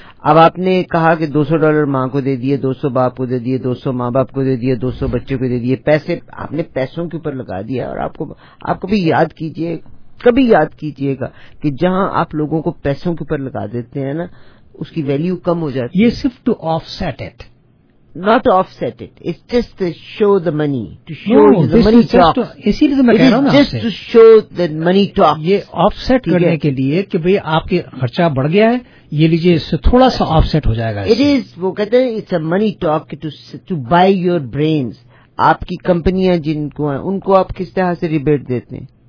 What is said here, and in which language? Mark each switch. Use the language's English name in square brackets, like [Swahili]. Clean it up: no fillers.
[Hindi] अब आपने कहा कि $200 माँ को दे दिए, 200 बाप को दे दिए, 200 माँ बाप को दे दिए, 200 बच्चों को दे दिए, पैसे आपने पैसों के ऊपर लगा दिया। और आपको भी याद कीजिए, कभी याद कीजिएगा कि जहां आप लोगों को पैसों के ऊपर लगा देते हैं ना, उसकी वैल्यू कम हो जाती है। ये सिर्फ [English] to offset it, not offset it, it's just to show the money, to show the money talks, [Hindi] इसीलिए तो मैं कह रहा हूँ ना, [English] just to show the money talks, [Hindi] ये offset करने के लिए कि भई आपके खर्चा बढ़ गया है, ये लीजिए इससे थोड़ा सा offset हो जाएगा। [English] it is, [Hindi] वो कहते हैं [English] it's a money talk to buy your brains, [Hindi] आपकी कंपनियां जिनको हैं उनको आप किस तरह से रिबेट देते हैं।